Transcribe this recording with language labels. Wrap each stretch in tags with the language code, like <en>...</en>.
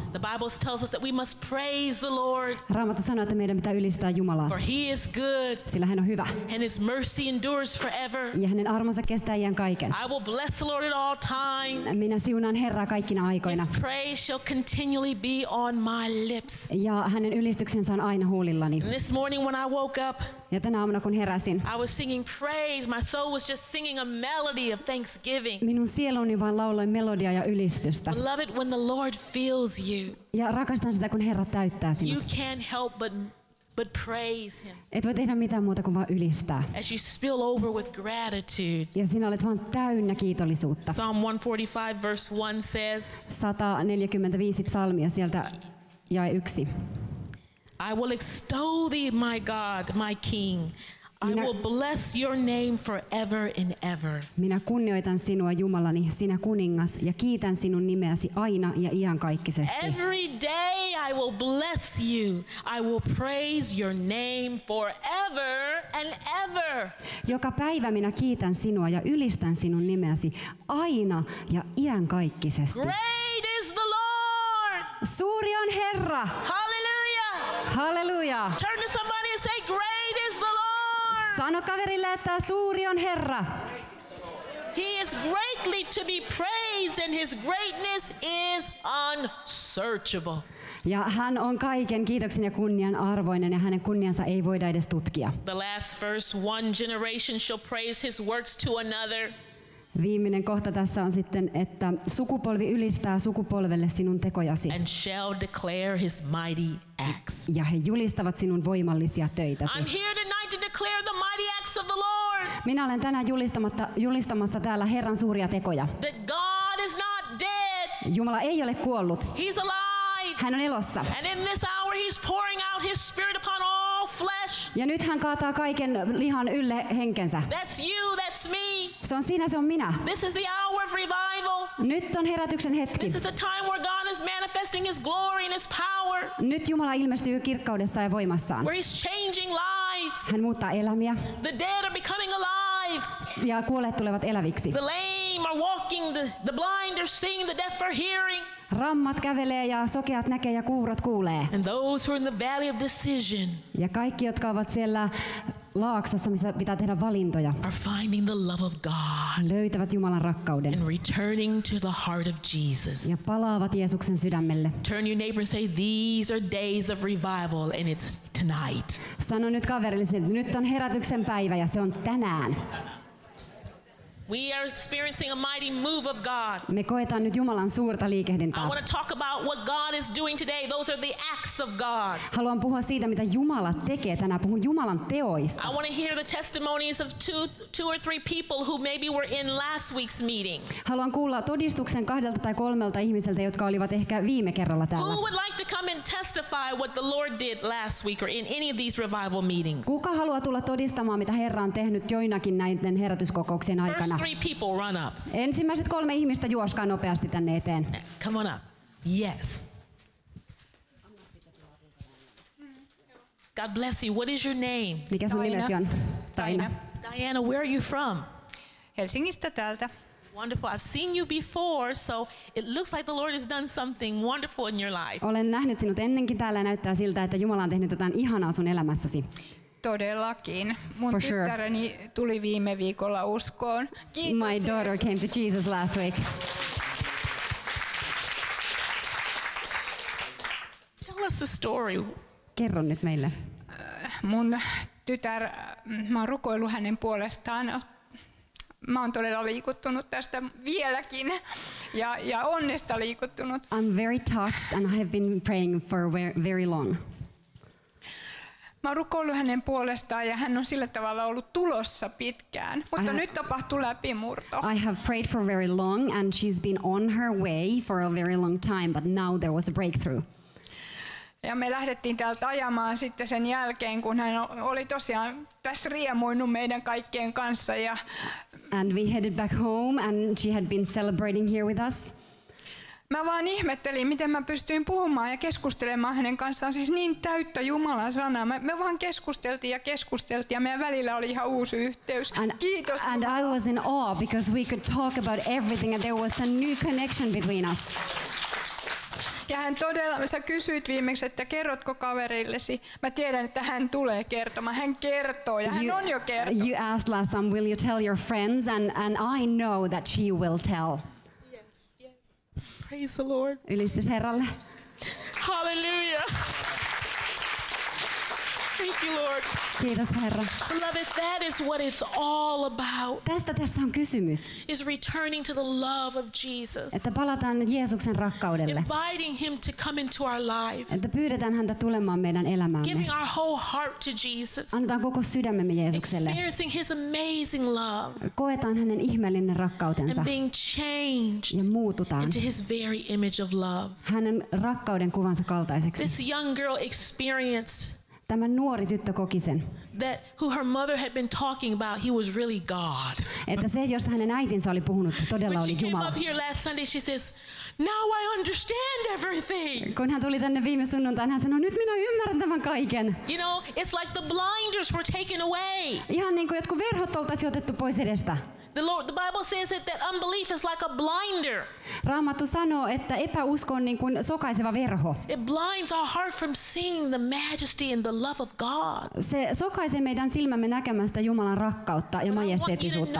<en>The Bible tells us that we must praise the Lord.</en> <fi>Raamattu sanoo, että meidän pitää ylistää Jumalaa.</fi> <en>For he is good.</en> <fi>Sillä hän on hyvä.</fi> <en>And his mercy endures forever.</en> <fi>Ja hänen armonsa kestää iän kaiken.</fi> <en>I will bless the Lord at all times.</en> <fi>Minä siunaan Herraa kaikkina aikoina.</fi> <en>His praise shall continually be on my lips.</en> <fi>Ja hänen ylistyksensä on aina huulillani.</fi> <en>And this morning when I woke up.</en> <fi>Ja tänä aamuna kun herään.</fi> <en>I was singing praise. My soul was just singing a melody of thanksgiving.</en> <fi>Minun sieluni vaan lauloi melodia ja ylistystä.</fi> <en>I love it when the Lord fills you.</en> <fi>Ja rakastan sitä, kun Herra täyttää sinut.</fi> <en>You can't help but praise him.</en> <fi>Et voi tehdä mitään muuta kuin vaan ylistää.</fi> <en>As you spill over with gratitude.</en> <fi>Ja sinä olet vaan täynnä kiitollisuutta.</fi> <en>Psalm 145 verse 1 says.</en> <fi>145 psalmia sieltä jae 1.</fi> <en>I will extol thee, my God, my King. I will bless your name forever and ever.</en> <fi>Minä kunnioitan sinua, Jumalani, sinä kuningas, ja kiitän sinun nimeäsi aina ja iankaikkisesti.</fi> <en>Every day I will bless you. I will praise your name forever and ever.</en> <fi>Joka päivä minä kiitän sinua ja ylistän sinun nimeäsi aina ja iankaikkisesti.</fi> <en>Great is the Lord.</en> <fi>Suuri on Herra.</fi> <en>Hallelujah.</en> <fi>Hallelujah.</fi> <en>Turn to somebody and say, great is the Lord.</en> <fi>Sano kaverille, että suuri on Herra.</fi> <en>He is greatly to be praised and his greatness is unsearchable.</en> <fi>Ja hän on kaiken kiitoksen ja kunnian arvoinen ja hänen kunniansa ei voida edes tutkia.</fi> <en>The last verse, one generation shall praise his works to another.</en> <fi>Viimeinen kohta tässä on sitten, että sukupolvi ylistää sukupolvelle sinun tekojasi.</fi> <en>And shall declare his mighty acts.</en> <fi>Ja he julistavat sinun voimallisia töitäsi.</fi> <en>I'm here tonight to declare the mighty acts of the Lord.</en> <fi>Minä olen tänään julistamassa täällä Herran suuria tekoja.</fi> <en>That God is not dead.</en> <fi>Jumala ei ole kuollut.</fi> <en>He's alive.</en> <fi>Hän on elossa.</fi> <en>And in this hour he's pouring out his spirit upon all flesh.</en> <fi>Ja nyt hän kaataa kaiken lihan ylle henkensä.</fi> <en>That's you, that's me.</en> <fi>Se on siinä, se on minä.</fi> <en>This is the hour of revival.</en> <fi>Nyt on herätyksen hetki.</fi> <en>This is the time where God is manifesting his glory and his power.</en> <fi>Nyt Jumala ilmestyy kirkkaudessa ja voimassaan.</fi> <en>Where he's changing lives.</en> <fi>Hän muuttaa elämiä.</fi> <en>The dead are becoming alive.</en> <fi>Ja kuolleet tulevat eläviksi.</fi> <en>The lame are walking, the blind are seeing, the deaf are hearing.</en> <fi>Rammat kävelee ja sokeat näkee ja kuurot kuulee.</fi> <en>And those who are in the valley of decision.</en> <fi>Ja kaikki, jotka ovat siellä laaksossa, missä pitää tehdä valintoja,</fi> <en>are finding the love of God,</en> <fi>löytävät Jumalan rakkauden,</fi> <en>and returning to the heart of Jesus,</en> <fi>ja palaavat Jeesuksen sydämelle.</fi> <en>Turn your neighbor and say, these are days of revival, and it's tonight.</en> <fi>Sano nyt kaverillesi, että nyt on herätyksen päivä, ja se on tänään.</fi> <en>We are experiencing a mighty move of God.</en> <fi>Me koetaan nyt Jumalan suurta liikehdintää.</fi> <en>I want to talk about what God is doing today. Those are the acts of God.</en> <fi>Haluan puhua siitä, mitä Jumala tekee tänään. Puhun Jumalan teoista.</fi> <en>I want to hear the testimonies of two or three people who maybe were in last week's meeting.</en> <fi>Haluan kuulla todistuksen kahdelta tai kolmelta ihmiseltä, jotka olivat ehkä viime kerralla täällä.</fi> <en>Who would like to come and testify what the Lord did last week or in any of these revival meetings?</en> <fi>Kuka haluaa tulla todistamaan, mitä Herra on tehnyt joinakin näiden herätyskokouksien aikana?</fi> <en>Three people run up.</en> <fi>Ensimmäiset kolme ihmistä juoskaa nopeasti tänne eteen.</fi> <en>Come on up. Yes. God bless you. What is your name?</en> <fi>Mikä sun nimesi on? Taina.</fi> <en>Diana, where are you from?</en> <fi>Helsingistä täältä.</fi> <en>Wonderful. I've seen you before, so it looks like the Lord has done something wonderful in your life.</en> <fi>Olen nähnyt sinut ennenkin täällä ja näyttää siltä, että Jumala on tehnyt jotain ihanaa sun elämässäsi. Todellakin. Mun tyttäreni tuli viime viikolla uskoon. Kiitos.</fi> <en>My daughter came to Jesus last week. Tell us the story.</en> <fi>Kerro nyt meille. Mun tytär, mä oon rukoillut hänen puolestaan. Mä oon todella liikuttunut tästä vieläkin ja onnesta liikuttunut.</fi> <en>I'm very touched and I have been praying for very long.</en> <fi>Mä oon rukoillut hänen puolestaan ja hän on sillä tavalla ollut tulossa pitkään, mutta nyt tapahtui läpimurto.</fi> <en>I have prayed for very long and she's been on her way for a very long time, but now there was a breakthrough.</en> <fi>Ja me lähdettiin täältä ajamaan sitten sen jälkeen, kun hän oli tosiaan tässä riemuinut meidän kaikkien kanssa. Ja</fi> <en>and we headed back home and she had been celebrating here with us.</en> <fi>Mä vaan ihmettelin, miten mä pystyin puhumaan ja keskustelemaan hänen kanssaan, siis niin täyttä Jumalan sanaa. Me vaan keskusteltiin ja meidän välillä oli ihan uusi yhteys. Kiitos.</fi> <en>And I was in awe because we could talk about everything and there was a new connection between us.</en> <fi>Ja hän todella, sä kysyit viimeksi, että kerrotko kaverillesi. Mä tiedän, että hän tulee kertomaan. Hän kertoo ja hän on jo kertonut.</fi> <en>You asked last time, will you tell your friends? And I know that she will tell. Praise the Lord.</en> <fi>Ylistys Herralle.</fi> <en>Hallelujah. Thank you, Lord.</en> <fi>Kiitos Herra.</fi> <en>Beloved, that is what it's all about.</en> <fi>Tästä tässä on kysymys.</fi> <en>Is returning to the love of Jesus.</en> <fi>Että palataan Jeesuksen rakkaudelle.</fi> <en>Inviting him to come into our lives.</en> <fi>Että pyydetään häntä tulemaan meidän elämäämme.</fi> <en>Giving our whole heart to Jesus.</en> <fi>Annetaan koko sydämemme Jeesukselle.</fi> <en>Experiencing his amazing love.</en> <fi>Koetaan hänen ihmeellinen rakkautensa.</fi> <en>And being changed.</en> <fi>Ja muututaan.</fi> <en>Into his very image of love.</en> <fi>Hänen rakkauden kuvansa kaltaiseksi.</fi> <en>This young girl experienced.</en> <fi>Tämä nuori tyttö koki sen.</fi> <en>That who her mother had been talking about, he was really God.</en> <fi>Että se, josta hänen äitinsä oli puhunut, todella oli Jumala.</fi> <en>When she came up here last Sunday, she says, "Now I understand everything."</en> <fi>Kun hän tuli tänne viime sunnuntaina, hän sanoi, "Nyt minä ymmärrän tämän kaiken."</fi> <en>You know, it's like the blinders were taken away.</en> <fi>Ihan niin kuin jotkut verhot oltaisiin otettu pois edestä.</fi> <en>The Bible says that unbelief is like a blinder.</en> <fi>Raamattu sanoo, että epäusko on niin kuin sokaiseva verho.</fi> <en>It blinds our heart from seeing the majesty and the love of God.</en> <fi>Se sokaisee meidän silmämme näkemästä Jumalan rakkautta ja majesteettisuutta.</fi>